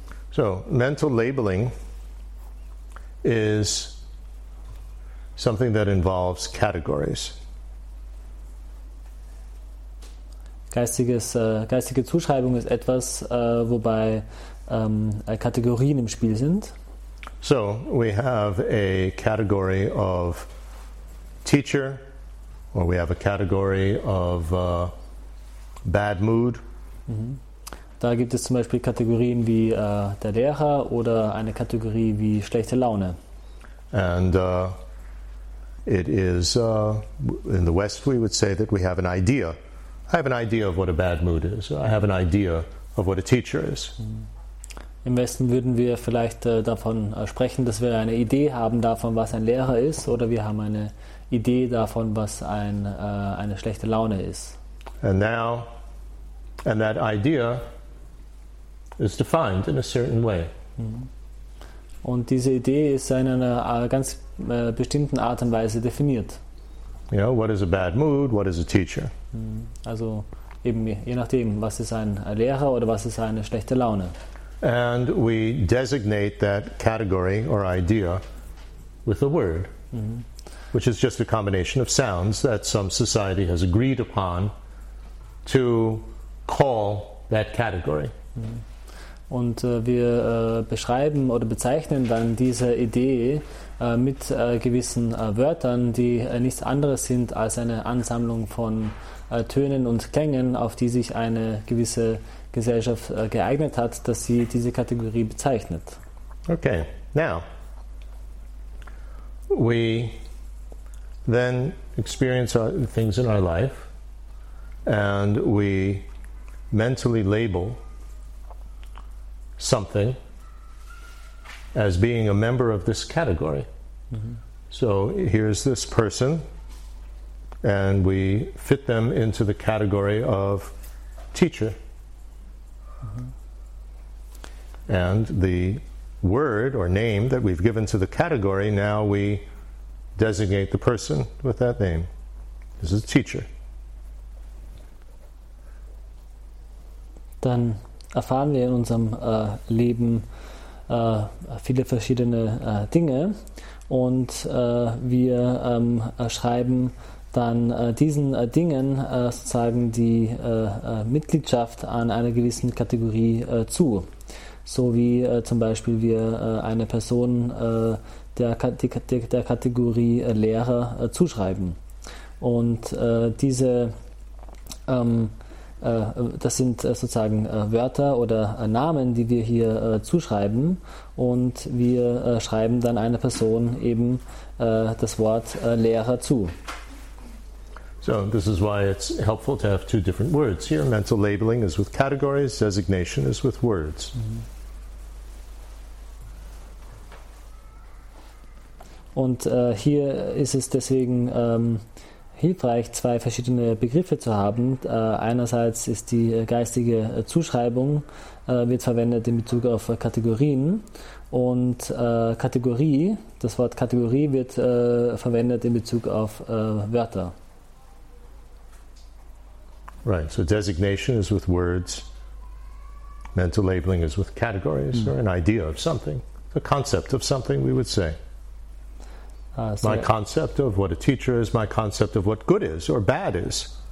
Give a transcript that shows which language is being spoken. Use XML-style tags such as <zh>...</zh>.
<en>So, mental labeling is something that involves categories.</en> <de>Geistige Zuschreibung ist etwas, wobei Kategorien im Spiel sind.</de> <en>So, we have a category of teacher, or we have a category of bad mood. Mm-hmm.</en> <de>Da gibt es zum Beispiel Kategorien wie der Lehrer oder eine Kategorie wie schlechte Laune.</de> <en>And it is, in the West we would say that we have an idea. I have an idea of what a bad mood is. I have an idea of what a teacher is.</en> <de>Im Westen würden wir vielleicht davon sprechen, dass wir eine Idee haben davon, was ein Lehrer ist, oder wir haben eine Idee davon, was eine schlechte Laune ist.</de> <en>And that idea is defined in a certain way.</en> <de>Und diese Idee ist in einer ganz bestimmten Art und Weise definiert.</de> <en>You know, what is a bad mood? What is a teacher?</en> <de>Also eben je nachdem, was ist ein Lehrer oder was ist eine schlechte Laune.</de> <en>And we designate that category or idea with a word, which is just a combination of sounds that some society has agreed upon to call that category.</en> <de>Und wir beschreiben oder bezeichnen dann diese Idee mit gewissen Wörtern, die nichts anderes sind als eine Ansammlung von Tönen und Klängen, auf die sich eine gewisse Gesellschaft geeignet hat, dass sie diese Kategorie bezeichnet.</de> <en>Okay, Now, we then experience our things in our life, and we mentally label something as being a member of this category. Mm-hmm. So here's this person, and we fit them into the category of teacher. Mm-hmm. And the word or name that we've given to the category, now we designate the person with that name. This is a teacher.</en> <de>Dann erfahren wir in unserem Leben viele verschiedene Dinge, und wir schreiben dann diesen Dingen sozusagen die Mitgliedschaft an einer gewissen Kategorie zu. So wie zum Beispiel wir eine Person der Kategorie Lehrer zuschreiben. Und diese, das sind sozusagen Wörter oder Namen, die wir hier zuschreiben. Und wir schreiben dann einer Person eben das Wort Lehrer zu.</de> <en>So this is why it's helpful to have two different words here. Mental labeling is with categories, designation is with words. Mm-hmm.</en> <de>Und hier ist es deswegen hilfreich, zwei verschiedene Begriffe zu haben. Einerseits ist die geistige Zuschreibung, wird verwendet in Bezug auf Kategorien. Und Kategorie, das Wort Kategorie, wird verwendet in Bezug auf Wörter.</de> <en>Right, so designation is with words, mental labeling is with categories, or an idea of something, a concept of something, we would say. My concept of what a teacher is, my concept of what good is or bad is.</en>